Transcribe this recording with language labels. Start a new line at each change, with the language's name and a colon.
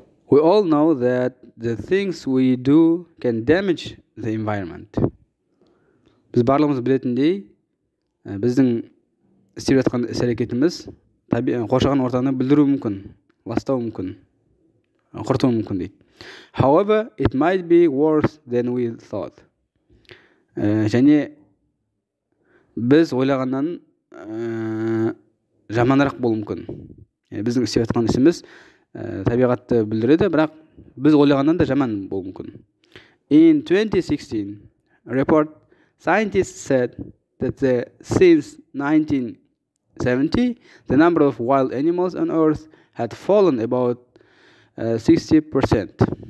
English: We all know that the things we do can damage the environment.
Kazakh: Біз барлығымыз білетіндей, біздің істеп жатқан іс-әрекетіміз қоршаған ортаны бүлдіруі мүмкін, ластауы мүмкін, құртуы мүмкін дейді.
English: However, it might be worse than we thought.
Kazakh: Және біз ойлағаннан жаманырақ болуы мүмкін. Біздің істеп жатқан ісіміз табиғатты бүлдіреді, бірақ біз ойлағаннан да жаман болуы мүмкін.
English: In 2016 report, scientists said that since 1970, the number of wild animals on Earth had fallen about 60%.